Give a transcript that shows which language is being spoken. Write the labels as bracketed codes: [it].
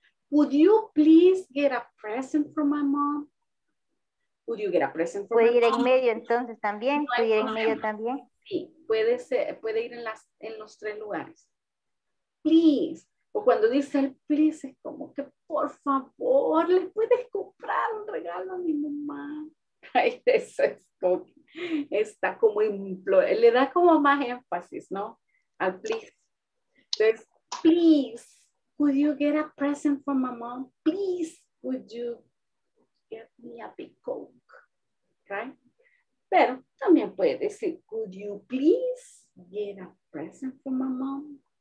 [en] Would you please get a present for my mom? Would you get a present for my mom? [es] ¿Puede ir en medio entonces también? ¿Puede ir en medio también? Sí, puede ser, puede ir en las, en los tres lugares. Please. O cuando dice el please, es como que por favor, ¿le puedes comprar un regalo a mi mamá? Ay, eso es como, está como, le da como más énfasis, ¿no? Al please. [en] Entonces, please, could you get a present for my mom? Please, could you get me a big Coke? Right? [es] Pero también puede decir, [en] could you please get a present for my mom?